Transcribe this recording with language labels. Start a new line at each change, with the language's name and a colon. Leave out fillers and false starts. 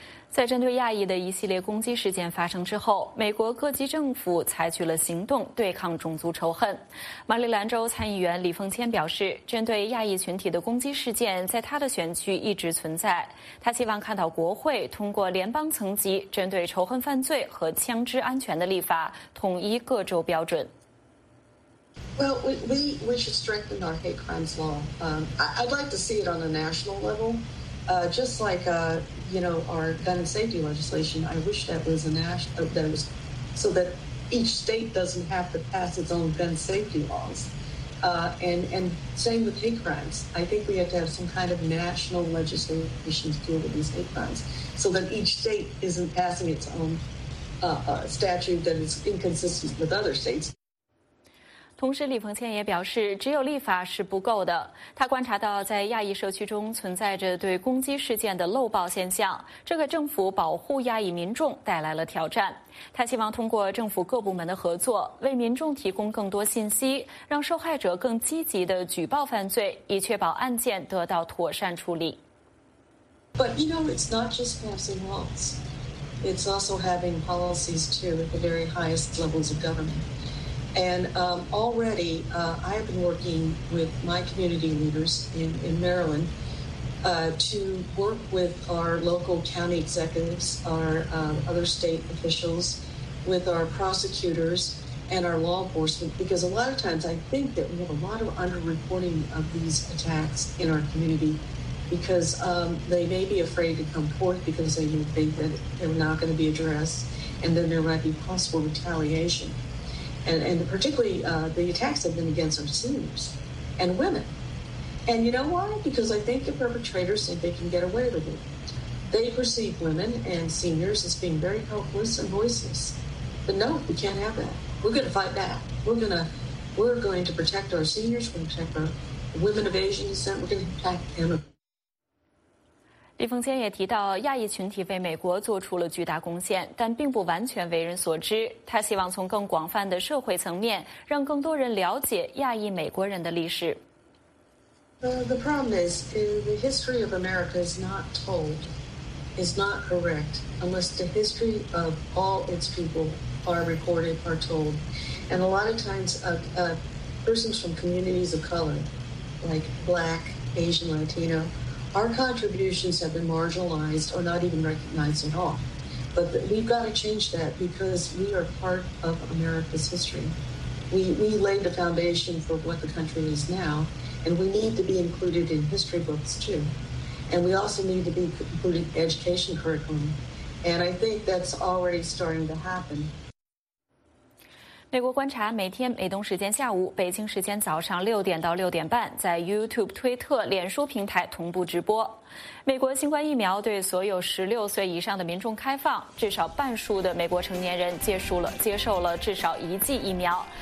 Chinese: 在针对亚裔的一系列攻击事件发生之后，美国各级政府采取了行动对抗种族仇恨。马里兰州参议员李凤谦表示，针对亚裔群体的攻击事件在他的选区一直存在，他希望看到国会通过联邦层级针对仇恨犯罪和枪支安全的立法，统一各州标准。
English: Well, we should strengthen our hate crimes law. I'd like to see it on a national level. Just like, you know, our gun and safety legislation, I wish that was a national, that was, so that each state doesn't have to pass its own gun safety laws. And same with hate crimes. I think we have to have some kind of national legislation to deal with these hate crimes so that each state isn't passing its own statute that is inconsistent with other states.
Chinese: 同时李鹏谦也表示只有立法是不够的。他观察到在亚裔社区中存在着对攻击事件的漏报现象，这个政府保护亚裔民众带来了挑战。他希望通过政府各部门的合作为民众提供更多信息，让受害者更积极地举报犯罪，以确保案件得到妥善处理。
English: But you know, it's not just passing laws. It's also having policies too at the very highest levels of government. And already, I have been working with my community leaders in Maryland to work with our local county executives, our other state officials, with our prosecutors and our law enforcement, because a lot of times I think that we have a lot of underreporting of these attacks in our community because they may be afraid to come forth because they may think that they're not going to be addressed and then there might be possible retaliation. And particularly the attacks have been against our seniors and women. And you know why? Because I think the perpetrators think they can get away with it. They perceive women and seniors as being very helpless and voiceless. But no, we can't have that. We're going to fight back. We're going to protect our seniors. We're going to protect our women of Asian descent. We're going to protect them.
Chinese: 李凤谦也提到，亚裔群体为美国做出了巨大贡献，但并不完全为人所知。他希望从更广泛的社会层面，让更多人了解亚裔美国人的历史。
English: The problem is, the history of America is not told, is not correct, unless the history of all its people are recorded, are told. And a lot of times, persons from communities of color, like Black, Asian, Latino,Our contributions have been marginalized or not even recognized at all. But we've got to change that because we are part of America's history. We laid the foundation for what the country is now, and we need to be included in history books too. And we also need to be included in education curriculum. And I think that's already starting to happen.
Chinese: 美国观察每天美东时间下午北京时间早上六点到六点半在 YouTube 推特脸书平台同步直播。美国新冠疫苗对所有16岁以上的民众开放，至少半数的美国成年人接受了至少一剂疫苗。